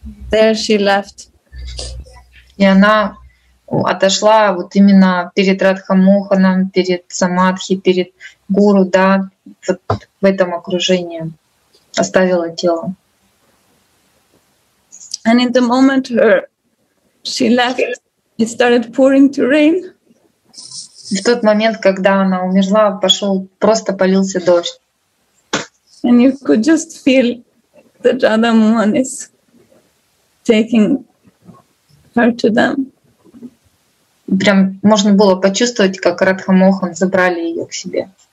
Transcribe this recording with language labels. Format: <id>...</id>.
<en>There she left.</en> <ru>И она отошла вот именно перед Радхамоханом, перед Самадхи, перед Гуру, да, вот в этом окружении оставила тело.</ru> <en>And in the moment she left, it started pouring to rain.</en> <ru>В тот момент, когда она умерла, пошел просто полился дождь.</ru> <en>And you could just feel that Radha Mohan is taking her to them.</en> <ru>Прям можно было почувствовать, как Радха Мохан забрали ее к себе.</ru>